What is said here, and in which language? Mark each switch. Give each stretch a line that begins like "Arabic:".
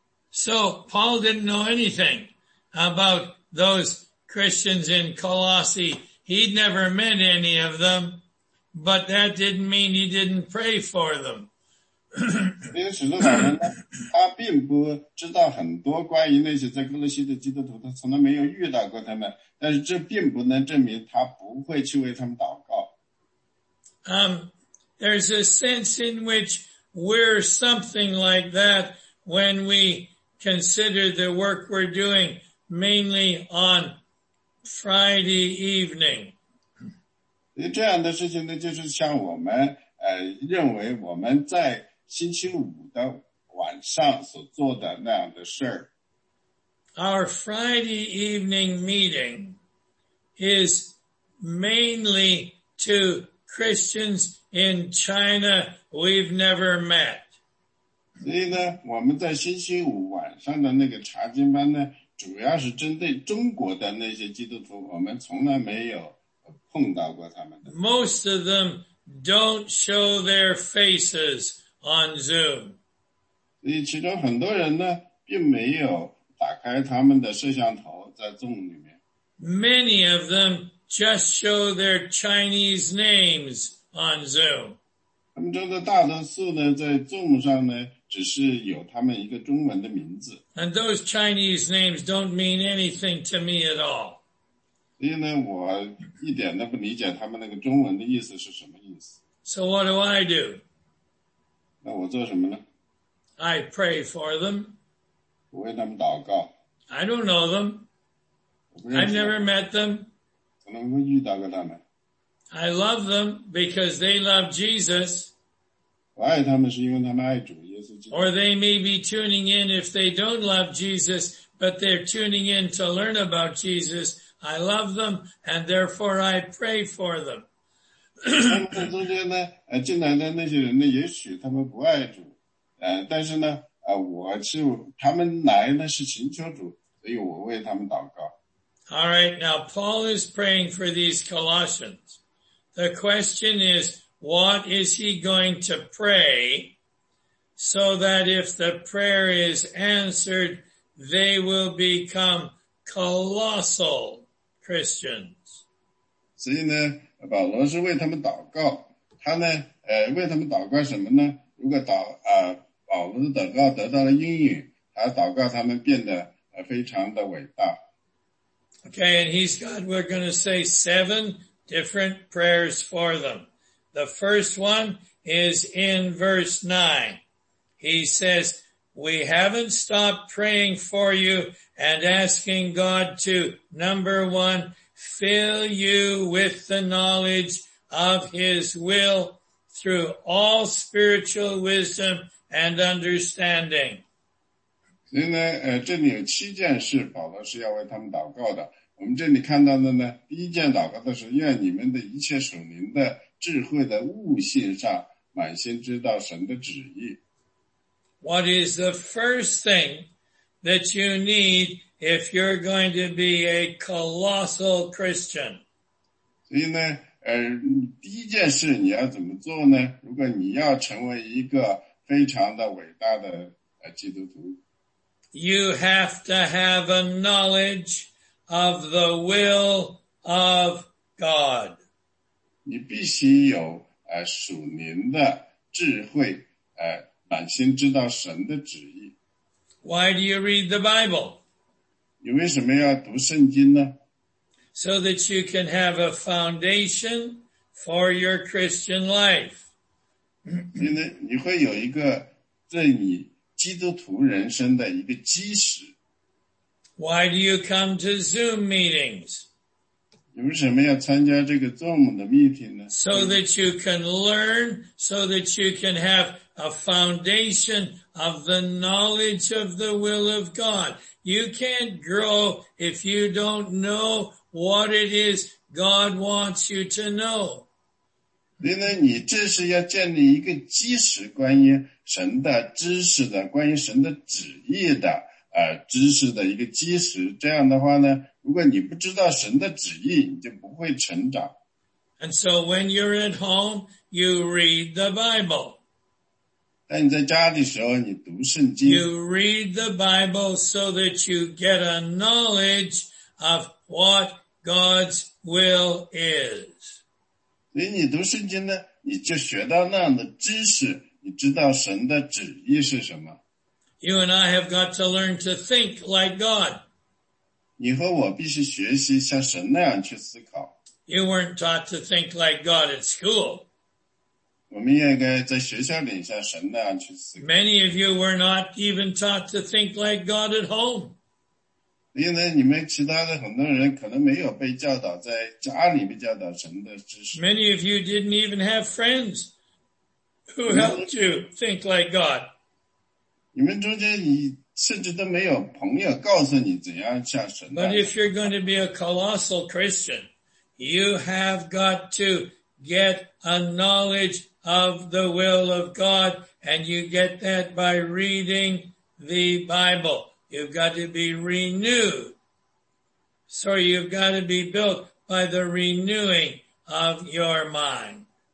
English: So Paul didn't know anything about those Christians in Colossae. He'd never met any of them, but that didn't mean he didn't pray for them.
Chinese: 因为使徒保罗呢，他并不知道很多关于那些在哥罗西的基督徒，他从来没有遇到过他们。但是这并不能证明他不会去为他们祷告。
English: There's a sense in which we're something like that when we consider the work we're doing mainly on Friday evening.
Chinese: 这样的事情呢，就是像我们认为我们在星期五的晚上所做的那样的事儿。
English: Our Friday evening meeting is mainly to Christians in China we've never met.
Chinese: 所以呢，我们在星期五晚上的那个查经班呢，主要是针对中国的那些基督徒，我们从来没有碰到过他们的。
English: Most of them don't show their faces on Zoom.
Chinese: 所以其中很多人呢，并没有打开他们的摄像头在众里面。
English: Many of them just show their Chinese names on Zoom.
Chinese: 他们中的大多数呢，在 Zoom 上呢，只是有他们一个中文的名字。
English: And those Chinese names don't mean anything to me at all.
Chinese: 所以呢，我一点都不理解他们那个中文的意思是什么意思。
English: So what do I do?
Chinese: 那我做什么呢？
English: I pray for them.
Chinese: 我为他们祷告。
English: I don't know them. I've never met them.
Chinese: 可能会遇到过他们。
English: I love them because they love Jesus.
Chinese: 我爱他们是因为他们爱主耶稣基督。
English: Or they may be tuning in if they don't love Jesus, but they're tuning in to learn about Jesus. I love them, and therefore I pray for them.
Chinese: 中间呢，进来的那些人呢，也许他们不爱主，但是呢，他们来呢是寻求主，所以我为他们祷告。
English: All right, now Paul is praying for these Colossians. The question is, what is he going to pray so that if the prayer is answered, they will become colossal Christians?
Chinese: 所以呢，保罗是为他们祷告。他呢，为他们祷告什么呢？如果保罗的祷告得到了应允，他祷告他们变得非常的伟大。
English: Okay, and we're going to say 7 different prayers for them. The first one is in verse 9. He says, we haven't stopped praying for you and asking God to, number 1, fill you with the knowledge of his will through all spiritual wisdom and understanding.
Chinese: 所以呢，这里有七件事，保罗是要为他们祷告的。我们这里看到的呢，第一件祷告的是，愿你们的一切属灵的智慧的悟性上，满心知道神的旨意。
English: What is the first thing that you need if you're going to be a colossal Christian?
Chinese: 所以呢，第一件事你要怎么做呢？如果你要成为一个非常的伟大的基督徒。
English: You have to have a knowledge of the will of God.
Chinese: 你必须有属灵的智慧满心知道神的旨意。
English: Why do you read the Bible?
Chinese: 你为什么要读圣经呢？
English: So that you can have a foundation for your Christian life.
Chinese: 你会有一个对你基督徒人生的一个基石。
English: Why do you come to Zoom meetings?
Chinese: 你为什么要参加这个 Zoom 的 meeting 呢？
English: So that you can learn, so that you can have a foundation of the knowledge of the will of God. You can't grow if you don't know what it is God wants you to know.
Chinese: 所以呢，你这是要建立一个基石，关于神的知识的，关于神的旨意的，知识的一个基石。这样的话呢，如果你不知道神的旨意，你就不会成长。
English: And so when you're at home, you read the Bible.
Chinese: 当你在家的时候，你读圣经。
English: You read the Bible so that you get a knowledge of what God's will is.
Chinese: 所以你读圣经呢，你就学到那样的知识，你知道神的旨意是什么。
English: You and I have got to learn to think like God.
Chinese: 你和我必须学习像神那样去思考。
English: You weren't taught to think like God at school.
Chinese: 我们应该在学校里像神那样去思考。
English: Many of you were not even taught to think like God at home.
Chinese: 因为你们其他的很多人可能没有被教导在家里面教导神的知识。
English: Many of you didn't even have friends who helped you think like God.
Chinese: 你们中间你甚至都没有朋友告诉你怎样向神。
English: But if you're going to be a colossal Christian, you have got to get a knowledge of the will of God, and you get that by reading the Bible. You've got to be renewed. Sorry, you've got to be built by the renewing of your mind.